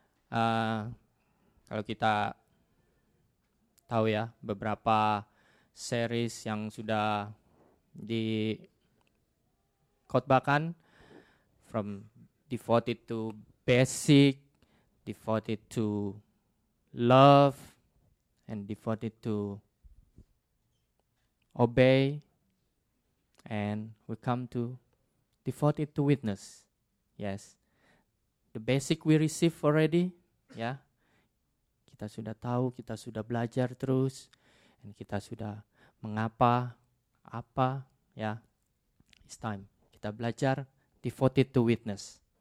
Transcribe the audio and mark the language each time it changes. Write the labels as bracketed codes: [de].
[id] Kalau kita tahu ya, beberapa series yang sudah dikhotbahkan, [en] from devoted to basic, devoted to love, and devoted to obey, and we come to devoted to witness. Yes, the basic we receive already, yeah. [id] Kita sudah tahu, kita sudah belajar terus, and kita sudah mengapa, apa, ya. [en] Yeah. It's time [id] kita belajar [en] devoted to witness.